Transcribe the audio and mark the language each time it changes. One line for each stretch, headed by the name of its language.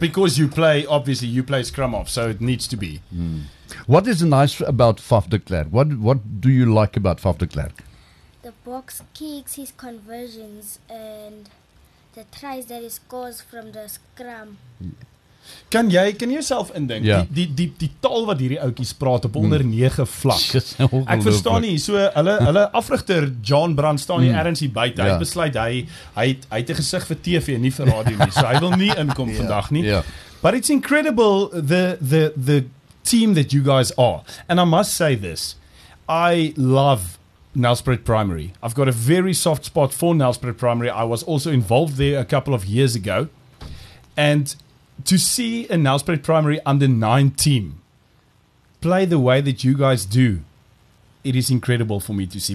English: Because you play scrum off, so it needs to be. What is nice about Faf de Klerk? What do you like about Faf de Klerk? The box kicks, his conversions, and the tries that he scores from the scrum.
Afrikaans: Kan jy jouself indink?
English: Yeah.
Afrikaans: Die taal wat hierdie ouetjies praat op onder 9 vlak. Ek verstaan nie. So hulle afrigter John Brand staan hier ergens hier buite. Hy het besluit hy het 'n gesig vir TV en nie vir radio nie. So hy wil nie inkom vandag nie.
English: Yeah. But it's incredible the team that you guys are. And I must say this. I love Nelspruit Primary. I've got a very soft spot for Nelspruit Primary. I was also involved there a couple of years ago. And to see a Nelspruit Primary under 9 team play the way that you guys do, it is incredible for me to see.